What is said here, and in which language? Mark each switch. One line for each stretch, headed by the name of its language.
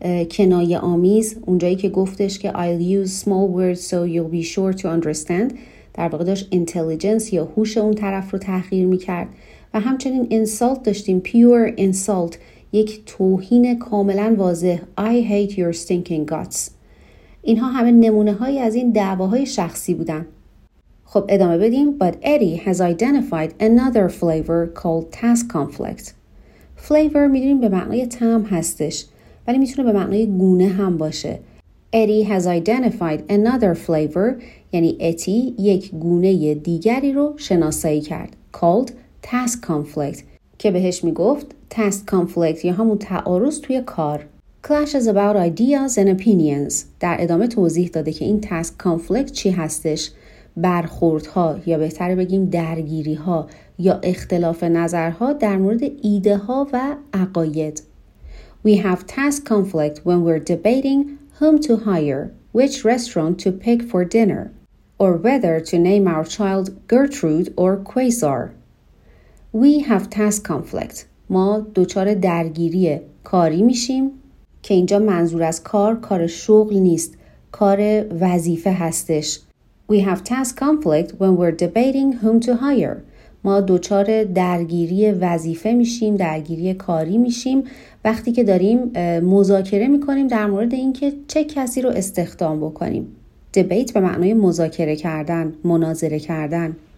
Persian: کنایه آمیز اونجایی که گفتش که
English: I'll use small words so you'll be sure to understand
Persian: در واقع داشت intelligence یا هوش اون طرف رو تحقیر میکرد و همچنین insult داشتیم
English: pure insult
Persian: یک توهین کاملا واضح
English: I hate your stinking guts
Persian: اینها همه نمونه هایی از این دعواهای شخصی بودن. خب ادامه بدیم.
English: But Eddie has identified another flavor called task conflict.
Persian: Flavor میدونیم به معنای طعم هستش. ولی میتونه به معنای گونه هم باشه.
English: Eddie has identified another flavor
Persian: یعنی Eddie یک گونه دیگری رو شناسایی کرد.
English: Called task conflict.
Persian: که بهش میگفت task conflict یا همون تعارض توی کار.
English: Clash is about ideas and opinions.
Persian: در ادامه توضیح داده که این task conflict چی هستش؟ برخوردها یا بهتر بگیم درگیریها یا اختلاف نظرها در مورد ایده ها و عقاید.
English: We have task conflict when we're debating whom to hire, which restaurant to pick for dinner, or whether to name our child Gertrude or Quasar. We have task conflict.
Persian: ما دچار درگیری کاری میشیم. که اینجا منظور از کار کار شغل نیست کار وظیفه هستش
English: We have task conflict when we're debating whom to hire
Persian: ما دوچار درگیری وظیفه میشیم درگیری کاری میشیم وقتی که داریم مذاکره میکنیم در مورد اینکه چه کسی رو استخدام بکنیم debate به معنای مذاکره کردن مناظره کردن